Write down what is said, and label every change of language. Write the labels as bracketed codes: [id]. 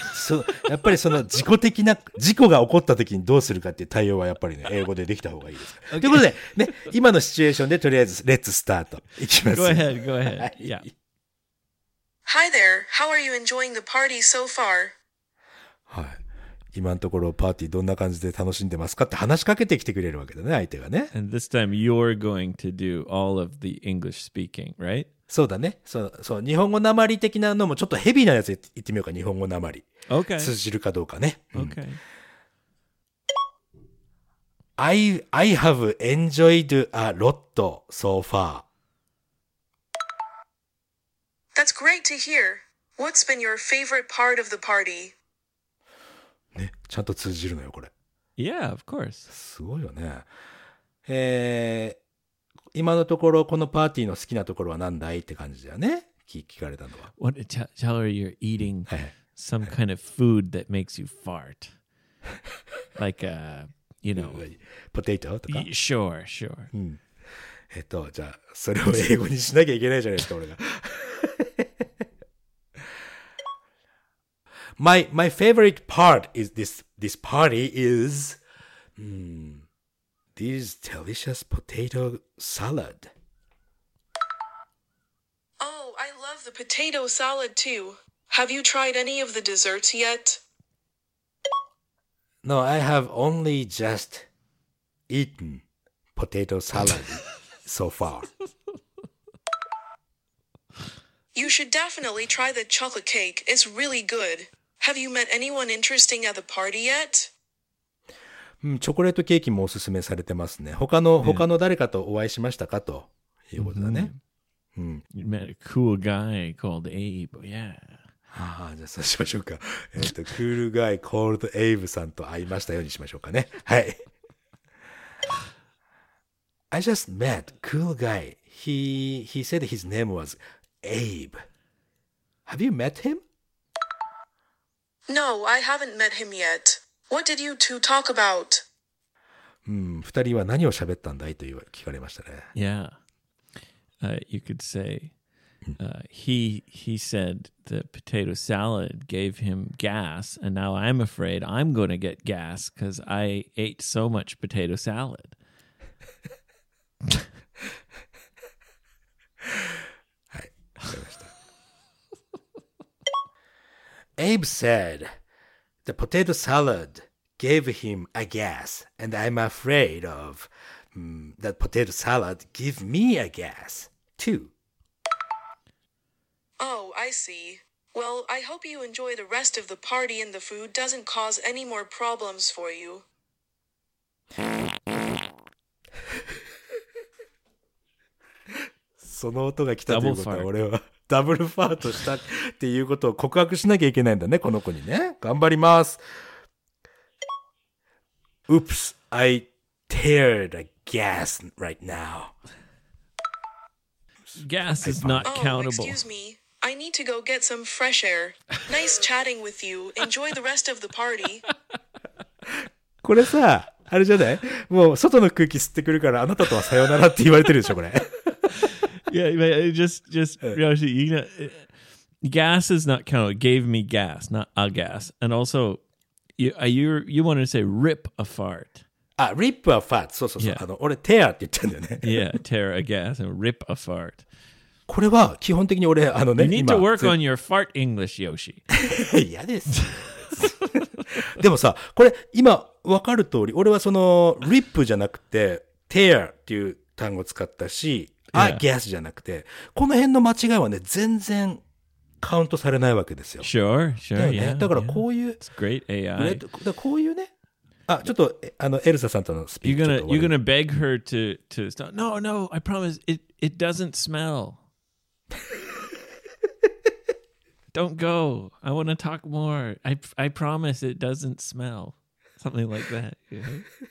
[ja] そう、やっぱりその自己的な事故が起こった時にどうするかっていう対応はやっぱりね、英語でできた方がいいです。 [en] Okay. [ja] ということで、ね、今のシチュエーションでとりあえず、レッツスタート。いきます。 [en] Go ahead. Yeah. Hi there. How are you enjoying the party so far? [ja] はい。今のところパーティーどんな感じで楽しんでますかって話しかけてきてくれるわけだね、相手がね。 [en] And this time you're going to do all of the English speaking, right? [ja] そうだね。そう。日本語なまり的なのもちょっとヘビーなやつ言ってみようか。日本語なまり。 [en] Okay. [ja] 通じるかどうかね。 [en] Okay. I have enjoyed a lot so far. That's great to hear. What's been your favorite part of the party? [ja] ね。ちゃんと通じるのよ、これ。 [en] Yeah, of course. [ja] すごいよね。今のところこのパーティーの好きなところは何だいって感じだよね。聞かれたのは。 [en] What? Tell her you're eating some kind of food that makes you fart. Like a, you know, [ja] potato とか。 [en] Sure, sure. [ja] じゃあそれを英語にしなきゃいけないじゃないですか、俺が。 [en] My favorite part is this party is.、These delicious potato salad. Oh, I love the potato salad too. Have you tried any of the desserts yet? No, I have only just eaten potato salad so far. You should definitely try the chocolate cake. It's really good. Have you met anyone interesting at the party yet? [ja] うん、チョコレートケーキもおすすめされてますね。他の誰かとお会いしましたかということだね。 [en] You met a cool guy called Abe, yeah. [ja] ああ、じゃあそうしましょうか。 [en] cool guy called Abe [ja] さんと会いましたようにしましょうかね。 [en] はい。I just met cool guy. He said his name was Abe. Have you met him? No, I haven't met him yet. What did you two talk about? [ja] 二人は何を喋ったんだいと聞かれましたね。 [en] Yeah. You could say, he said the potato salad gave him gas, and now I'm afraid I'm going to get gas because I ate so much potato salad. Abe said the potato salad gave him a gas, and I'm afraid of that potato salad give me a gas, too. Oh, I see. Well, I hope you enjoy the rest of the party and the food doesn't cause any more problems for you. [ja] その音が来たということは俺はダブルファートしたっていうことを告白しなきゃいけないんだね、この子にね。頑張ります。 [en] Oops, I teared a gas right now. Gas is not countable. Oh, excuse me. I need to go get some fresh air. Nice chatting with you. Enjoy the rest of the party. [ja] これさ、あれじゃない？もう外の空気吸ってくるからあなたとはさよならって言われてるでしょ、これ。 [en] Yeah, just Ryoshi, you know, gas is not count. Gave me gas, not a gas. And also, you wanted to say rip a fart. Ah, rip a fart. So, so, yeah. So. [ja] 俺 tear って言ったんだよね。 [en] Yeah, tear a gas and rip a fart. [ja] これは基本的に俺あのね。 [en] You need to work on your fart English, Yoshi. [ja] やです。でもさ、これ今わかる通り、俺はその rip じゃなくて tear っていう単語を使ったし。あ、ギャスじゃなくて、この辺の間違いはね、全然カウントされないわけですよ。 [en] Sure, sure, yeah, yeah. [ja] だからこういう、 [en] yeah. It's great AI. [ja] だからこういうね、あ、ちょっとあのエルサさんとのスピーチ。 [en] You're gonna beg her to stop. No, no, I promise. It doesn't smell. Don't go. I want to talk more. I promise it doesn't smell. Something like that. Yeah.